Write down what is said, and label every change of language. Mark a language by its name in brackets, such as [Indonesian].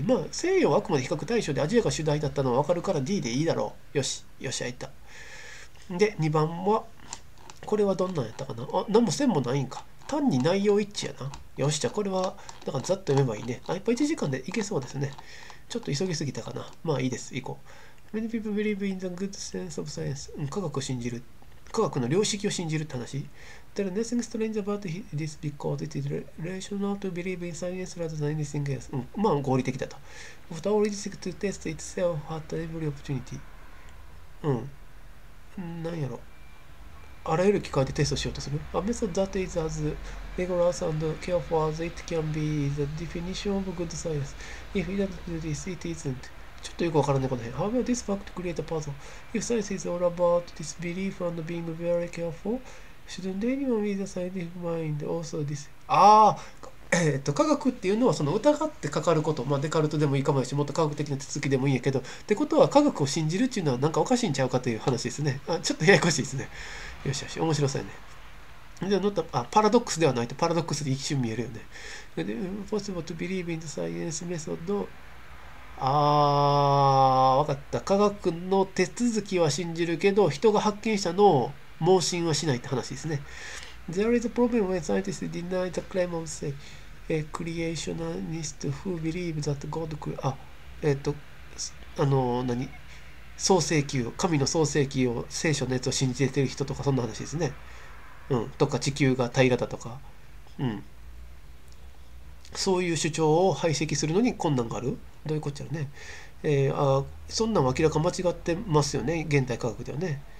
[Japanese] まあ、西洋はあくまで比較対象で、アジアが主題だったのはわかるから D でいいだろう。よし、よっしゃ、いった。で、2番は、これはどんなんやったかな。あ、何も線もないんか。単に内容一致やな。よし、じゃあこれは、だからざっと読めばいいね。あ、やっぱ1時間でいけそうですね。ちょっと急ぎすぎたかな。まあいいです。行こう。 [English] Many people believe in the good sense of science。 [Japanese] 科学を信じる。科学の良識を信じるって話。 [English] There is nothing strange about this because it is rational to believe in science rather than anything else。 [Japanese] まあ合理的だと。 [English] After all, it is to test itself at every opportunity。 [Japanese] なんやろ。あらゆる機会でテストしようとする。 [English] A method that is as rigorous and careful as it can be is the definition of good science. If it doesn't do this, it isn't. [Japanese] ちょっとよくわからないこの辺。 [English] How will this fact create a puzzle? If science is all about disbelief and being very careful, shouldn't anyone with a scientific mind also this? [Japanese] 科学っていうのは、その疑ってかかること。まあ、デカルトでもいいかもし、もっと科学的な手続きでもいいやけど。ってことは、科学を信じるっていうのはなんかおかしいんちゃうかという話ですね。あ、ちょっとややこしいですね。よしよし、面白そうやね。で、乗った、あ、パラドックスではないと、パラドックスで一瞬見えるよね。 [English] Impossible to believe in the science method。 [Japanese] わかった。科学の手続きは信じるけど、人が発見したのを妄信はしないって話ですね。 [English] There is a problem when scientists deny the claim of, say, a creationist who believe that God could… [Japanese] あ、何？創世記を、神の創世記を、聖書のやつを信じてる人とか、そんな話ですね。とか、地球が平らだとか。そういう主張を排斥するのに困難がある？どういうこっちゃね。そんなんは明らか間違ってますよね、現代科学ではね。